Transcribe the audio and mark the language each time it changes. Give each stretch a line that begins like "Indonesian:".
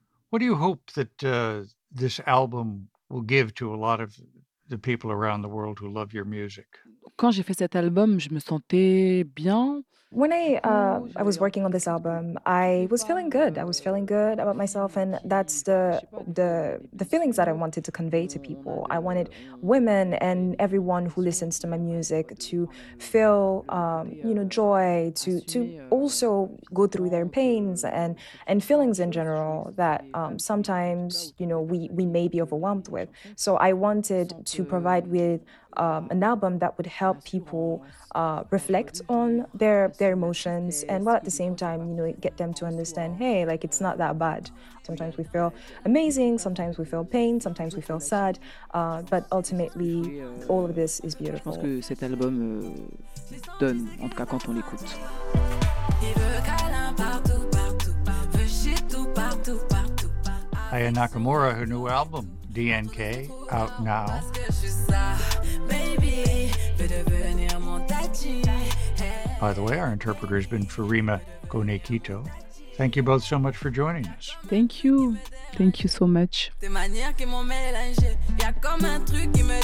English: What do you hope that this album will give to a lot of the people around the world who love your music?
French: Quand j'ai fait cet album, je me sentais bien.
English: When I was working on this album, I was feeling good. I was feeling good about myself, and that's the feelings that I wanted to convey to people. I wanted women and everyone who listens to my music to feel, joy, to also go through their pains and feelings in general that sometimes, we may be overwhelmed with. So I wanted to provide with an album that would help people reflect on their emotions, and while at the same time, get them to understand, hey, like, it's not that bad. Sometimes we feel amazing, sometimes we feel pain, sometimes we feel sad, but ultimately, all of this is beautiful.
French: Je pense que cet album donne, en tout cas quand on l'écoute.
English: Aya Nakamura, her new album, DNK, out now. By the way, our interpreter has been Farima Konekito. Thank you both so much for joining us. Thank you. Thank you so much.
French: De manière qui m'ont mélangé, y a comme un truc qui me